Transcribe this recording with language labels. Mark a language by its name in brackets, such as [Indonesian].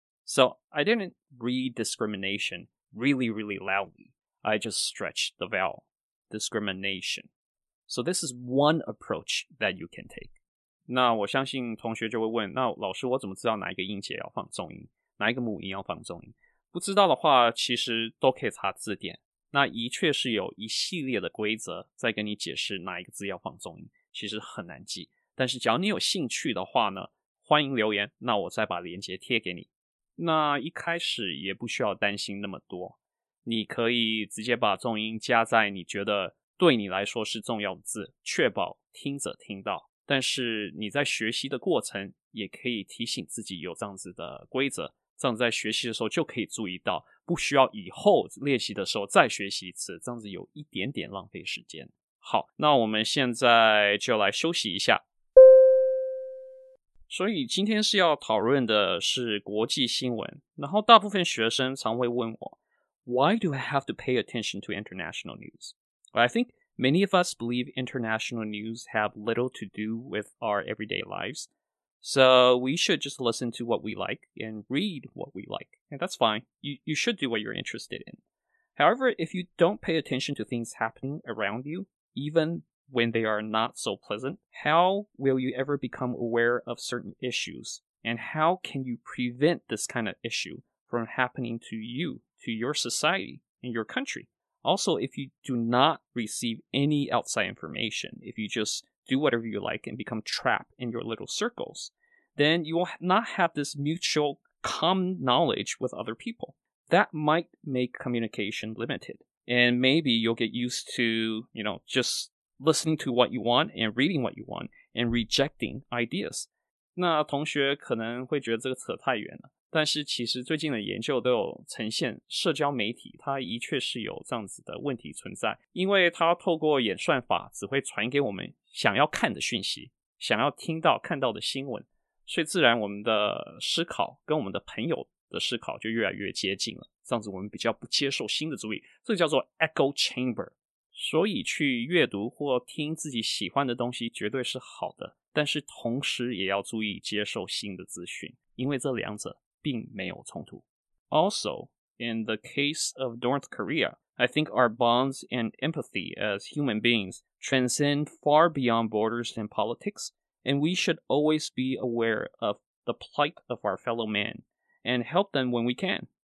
[English] So, I didn't read discrimination really, really loudly. I just stretched the vowel. Discrimination. So this is one approach that you can take. [Chinese] 那我相信同学就会问，那老师我怎么知道哪一个音节要放重音，哪一个母音要放重音？不知道的话其实都可以查字典，那的确是有一系列的规则在跟你解释哪一个字要放重音，其实很难记，但是只要你有兴趣的话呢，欢迎留言，那我再把连结贴给你。那一开始也不需要担心那么多，你可以直接把重音加在你觉得对你来说是重要的字，确保听者听到，但是你在学习的过程也可以提醒自己有这样子的规则，这样在学习的时候就可以注意到，不需要以后练习的时候再学习一次，这样子有一点点浪费时间。好，那我们现在就来休息一下。所以今天是要讨论的是国际新闻，然后大部分学生常会问我， [English] why do I have to pay attention to international news? Well, I think many of us believe international news have little to do with our everyday lives. So we should just listen to what we like and read what we like. And that's fine. You should do what you're interested in. However, if you don't pay attention to things happening around you, even when they are not so pleasant, how will you ever become aware of certain issues? And how can you prevent this kind of issue from happening to you, to your society, and your country? Also, if you do not receive any outside information, if you just do whatever you like and become trapped in your little circles, then you will not have this mutual common knowledge with other people. That might make communication limited. And maybe you'll get used to, you know, just listening to what you want and reading what you want and rejecting ideas. [Chinese] 那同学可能会觉得这个扯太远了，但是其实最近的研究都有呈现，社交媒体它的确是有这样子的问题存在，因为它透过演算法只会传给我们想要看的讯息，想要听到看到的新闻，所以自然我们的思考跟我们的朋友的思考就越来越接近了，这样子我们比较不接受新的注意，这个叫做 echo chamber。所以去阅读或听自己喜欢的东西绝对是好的，但是同时也要注意接受新的资讯，因为这两者并没有冲突。 [English] Also, in the case of North Korea, I think our bonds and empathy as human beings transcend far beyond borders and politics, and we should always be aware of the plight of our fellow man and help them when we can.